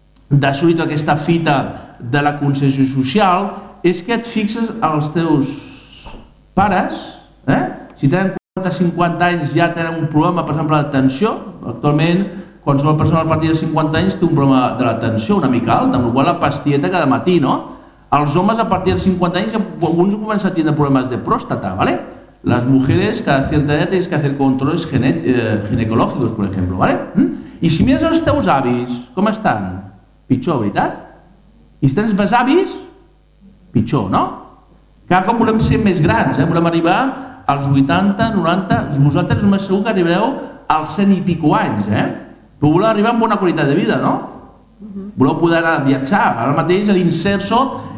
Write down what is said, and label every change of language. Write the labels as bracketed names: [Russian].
[Catalan] d'assolir aquesta fita de la concessió social, és que et fixes als teus pares, Si tenen 40 o 50 anys ja tenen un problema, per exemple, d'atenció. Actualment, qualsevol persona a partir de 50 anys té un problema de l'atenció una mica alt, amb la qual la pastilleta cada matí, no? Els homes a partir de 50 anys, alguns comencen a tindre problemes de pròstata, ¿vale? [Spanish] Las mujeres cada cierta edad tienes que hacer controles ginecológicos, por ejemplo, ¿vale? [Catalan] I si mires els teus avis, com estan? Pitjor, veritat? I si tens més avis, pitjor, no? Cada cop volem ser més grans, Volem arribar als 80, 90, vosaltres només segur que arribareu als 100 i pico anys, Però voleu arribar amb bona qualitat de vida, no? Voleu poder anar a viatjar, ara mateix l'Inserso